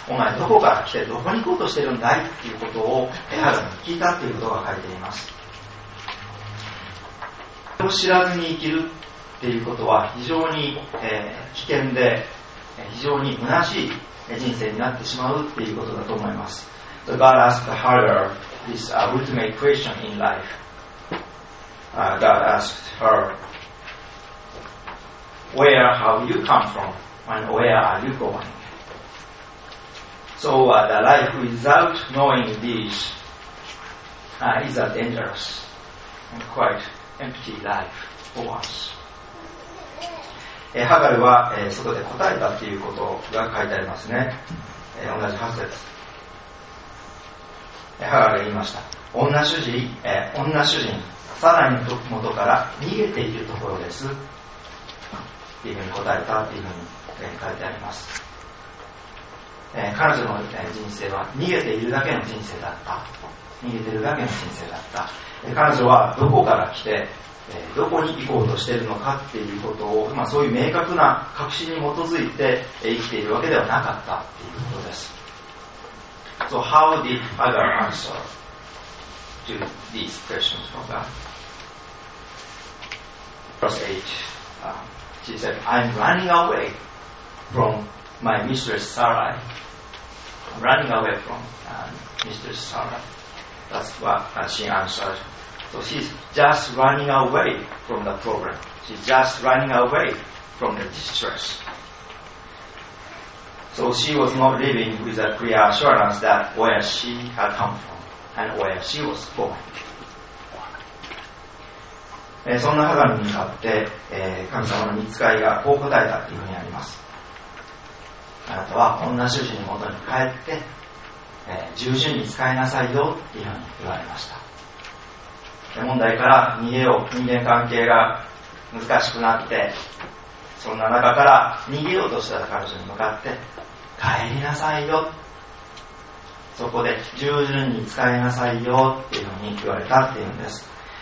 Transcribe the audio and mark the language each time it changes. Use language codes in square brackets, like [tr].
[ja] お前どこから来てどこに行こうとしているんだいということをハガルに聞いたということが書いています。それを知らずに生きるということは非常に、危険で非常に虚しい人生になってしまうということだと思います。 [en] So God asked Hagar this ultimate question in life. God asked her, Where have you come from and where are you going? So the life without knowing this is a dangerous and quite empty life for us. [ja] ハガルは、そこで答えたということが書いてありますね。同じ8節、ハガルが言いました。女主人サライの元から逃げているところですっていうふうに答えたというふうに、書いてあります。彼女の、人生は逃げているだけの人生だった。彼女はどこから来てどこに行こうとしているのかっていうことを、そういう明確な確信に基づいて生きているわけではなかったっていうことです。 [en] So how did Hagar answer to these questions from God? Verse 8, she said, I'm running away from my mistress Sarai. I'm running away from mistress Sarai. That's what she answered. So she's just running away from the problem. She's just running away from the distress. So she was not living with a clear assurance that where she had come from and where she was going. [ja] そんな鏡に向かって、神様の御使いがこう答えたというふうにあります。あなたは女主人のもとに帰って、従順に使いなさいよというふうに言われました。で、問題から逃げよう、人間関係が難しくなって、そんな中から逃げようとした彼女に向かって帰りなさいよ、そこで従順に使いなさいよっていうふうに言われたっていうんです。